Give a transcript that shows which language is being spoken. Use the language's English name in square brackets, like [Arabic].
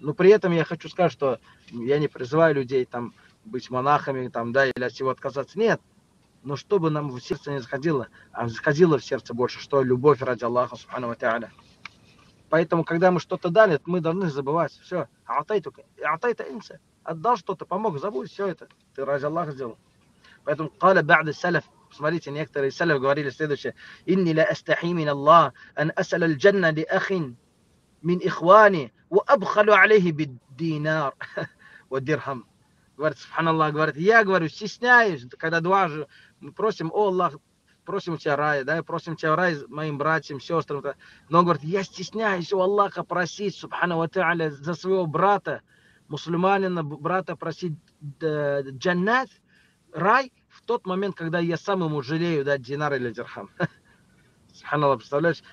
[Russian] Но при этом я хочу сказать, что я не призываю людей там быть монахами, там, да, или от всего отказаться. Нет. Но чтобы нам в сердце не заходило, а заходило в сердце больше, что любовь ради Аллаха, субхану ва тааля. Поэтому, когда мы что-то дали, мы должны забывать. Все. [Arabic] Атайта инса. [Russian] Отдал что-то, помог, забудь все это. Ты ради Аллаха сделал. Поэтому [Arabic] قال بعد السلف, [Russian] посмотрите, некоторые салиф говорили следующее: [Arabic] إني لا أستحي من الله أن أسأل الجنة لأخ من إخواني وأبخل عليه بالدينار والدرهم. [Russian] Говорит, субханаллах, говорит, я говорю, стесняюсь, когда дуа же мы просим, о Аллах, просим у тебя рай, да, просим у тебя рай моим братьям, сестрам. Но он говорит, я стесняюсь у Аллаха просить, субхана ва тааля, за своего брата. Мусульманина, брата просить джаннат, рай, в тот момент, когда я сам ему жалею, да, динар или дирхам. Субханаллах, представляешь?